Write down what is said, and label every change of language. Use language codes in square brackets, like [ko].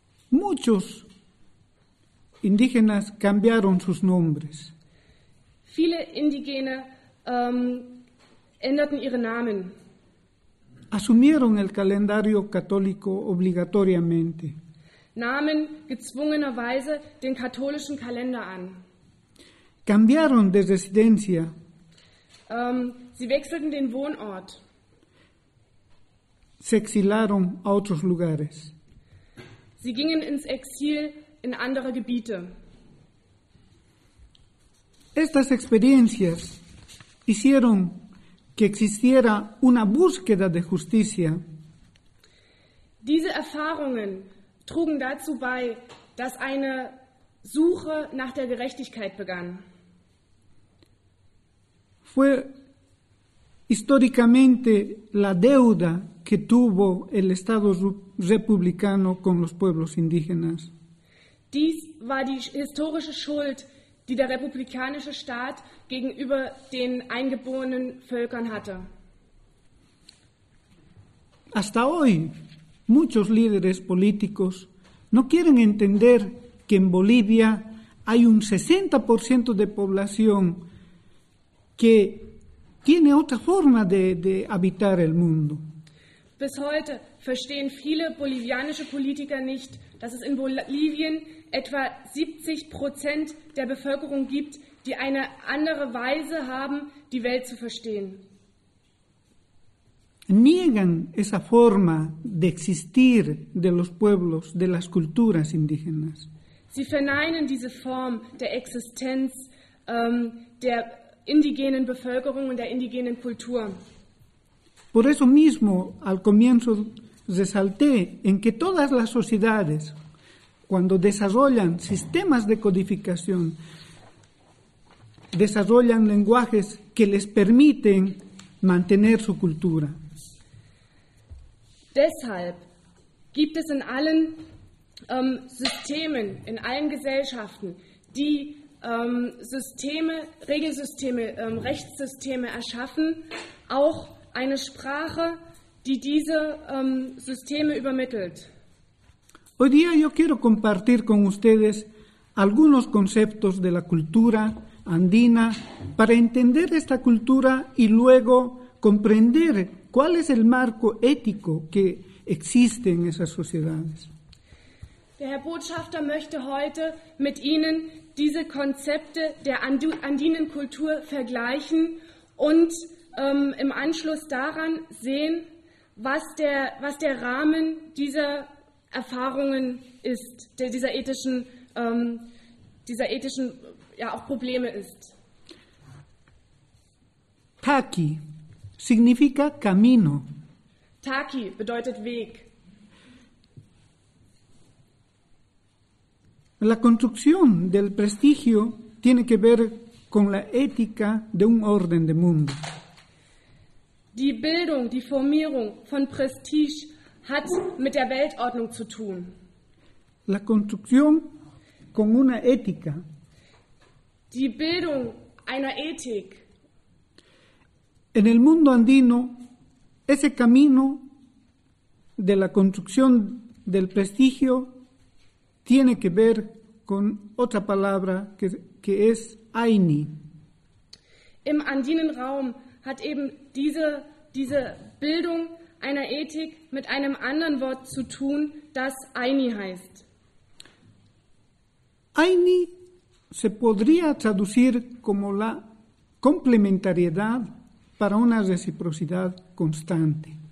[es] Muchos indígenas cambiaron sus nombres. [de] Viele Indigene änderten ihre Namen. [es] Asumieron el calendario católico obligatoriamente. [de] Nahmen gezwungenerweise den katholischen Kalender an. [es] Cambiaron de residencia. [de] Sie wechselten den Wohnort. [es] Se exilaron a otros lugares. [de] Sie gingen ins Exil in andere Gebiete. [es] Estas experiencias hicieron que existiera una búsqueda de justicia. [de] Diese Erfahrungen trugen dazu bei, dass eine Suche nach der Gerechtigkeit begann. [es] Fue históricamente la deuda que tuvo el Estado republicano con los pueblos indígenas. [de] Dies war die historische Schuld, die der republikanische Staat gegenüber den eingeborenen Völkern hatte. [es] Hasta hoy, muchos líderes políticos no quieren entender que en Bolivia hay un 60% de población que tiene otra forma de habitar el mundo. [de] Bis heute verstehen viele bolivianische Politiker nicht, dass es in Bolivien etwa 70% der Bevölkerung gibt, die eine andere Weise haben, die Welt zu verstehen. [es] Niegan esa forma de existir de los pueblos, de las culturas indígenas. [de] Sie verneinen diese Form der Existenz der indigenen Bevölkerung und der indigenen Kultur. [es] Por eso mismo, al comienzo resalté en que todas las sociedades, cuando desarrollan sistemas de codificación, desarrollan lenguajes que les permiten mantener su cultura. [de] Deshalb gibt es in allen Systemen, in allen Gesellschaften, die Systeme, Regelsysteme, Rechtssysteme erschaffen, auch eine Sprache, die diese Systeme übermittelt. [es] Hoy día yo quiero compartir con ustedes algunos conceptos de la cultura andina para entender esta cultura y luego comprender cuál es el marco ético que existe en esas sociedades. [de] Der Herr Botschafter möchte heute mit Ihnen diese Konzepte der andinen Kultur vergleichen und im Anschluss daran sehen, was der Rahmen dieser Erfahrungen ist, dieser ethischen ja auch Probleme ist. [es] Taki significa camino. [de] Taki bedeutet Weg. [es] La construcción del prestigio tiene que ver con la ética de un orden de mundo. [de] Die Bildung, die Formierung von Prestige hat mit der Weltordnung zu tun. [es] La construcción con una ética. [de] Die Bildung einer Ethik. [es] En el mundo andino, ese camino de la construcción del prestigio tiene que ver con otra palabra que es Aini. [de] Im andinen Raum hat eben diese Bildung einer Ethik mit einem anderen Wort zu tun, das Aini heißt. [es] Aini se podría traducir como la complementariedad para una reciprocidad constante.